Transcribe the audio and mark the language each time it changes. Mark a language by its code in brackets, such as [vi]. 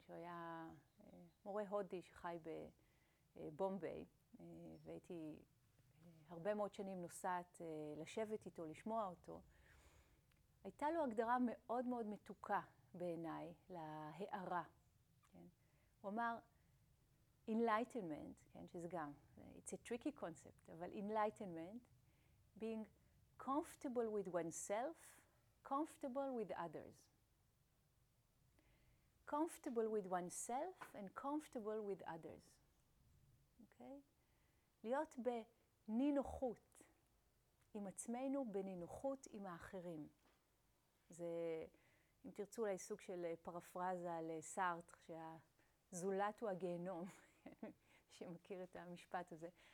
[he] שהיה מורה הודי שחי בבומביי, והייתי הרבה מאוד שנים נוסעת לשבת איתו, לשמוע אותו, הייתה לו הגדרה מאוד מאוד מתוקה בעיניי להערה. כן? הוא אמר, enlightenment, כן, שזה גם, [en] it's a tricky concept, [he] אבל [en] enlightenment, being comfortable with oneself, comfortable with others. Comfortable with oneself and comfortable with others. Okay? [he] להיות בנינוחות עם עצמנו, בנינוחות עם האחרים. זה, אם תרצו אולי סוג של פרפרזה לסארטר, שהזולת הוא הגיהנום, שמכיר את המשפט הזה.